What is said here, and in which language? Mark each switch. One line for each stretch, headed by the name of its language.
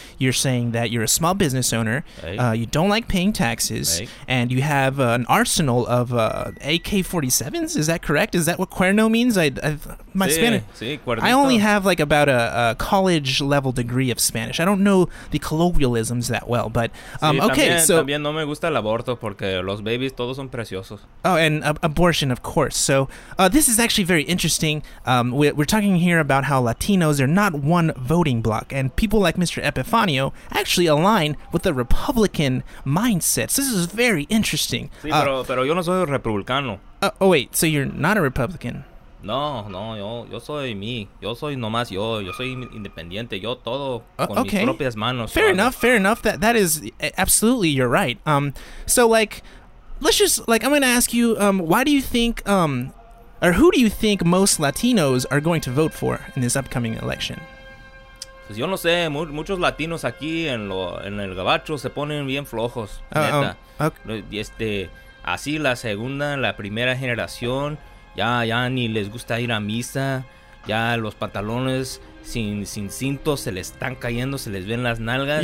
English: You're saying that you're a small business owner. You don't like paying taxes, and you have an arsenal of AK-47s. Is that correct? Is that what cuerno means? I only have like about a college level degree of Spanish. I don't know the colloquialisms that well, but.
Spanish: También no me gusta el aborto porque los babies todos son preciosos.
English: Oh, and abortion, of course. So this is actually very interesting. We're talking here about how Latinos are not one voting block, and people like Mr. Epifanio actually align with the Republican mindset. So this is very interesting.
Spanish: Sí, pero yo no soy republicano.
English: Wait, so you're not a Republican?
Spanish: No, yo soy mí. Yo soy nomás yo. Yo soy independiente. Yo todo con mis propias manos.
English: Fair enough. That is absolutely, you're right. I'm going to ask you, why do you think, or who do you think most Latinos are going to vote for in this upcoming election?
Spanish: Pues yo no sé. Muchos Latinos aquí en el gabacho se ponen bien flojos. Neta.
English: Okay.
Spanish: Así la segunda, la primera generación. Ya ni les gusta ir a misa, ya los pantalones sin cintos se les están cayendo, se les ven las nalgas.